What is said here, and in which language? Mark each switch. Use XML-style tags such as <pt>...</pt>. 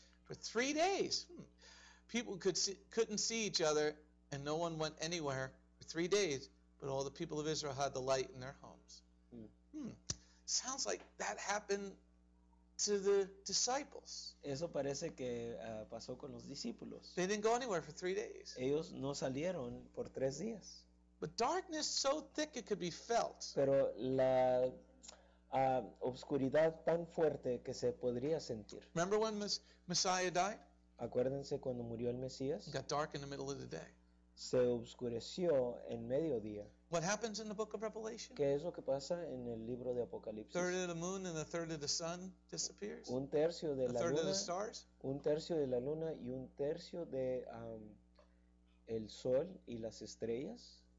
<en>For 3 days. People couldn't see each other, and no one went anywhere for 3 days, but all the people of Israel had the light in their homes. Sounds like that happened to the disciples.</en> <es>Eso parece que pasó con los discípulos.</es> <en>They didn't go anywhere for 3 days.</en> <es>Ellos no salieron por 3 días.</es> <en>But darkness so thick it could be felt.</en> <es>Pero la obscuridad tan fuerte que se podría sentir.</es> <en>Remember when Messiah died?</en> <es>Acuérdense cuando murió el Mesías.</es> <en>Got dark in the middle of the day.</en> <es>Se obscureció en mediodía.</es> <en>What happens in the book of Revelation?</en> <es>¿Qué es lo que pasa en el libro de Apocalipsis?</es> <en>Third of the moon and a third of the sun disappears.</en> <es>Un tercio de la</es> <en>third</en> <es>luna.</es> <en>Of the stars?</en> <es>Un tercio de la luna y un tercio de el sol y las estrellas.</es>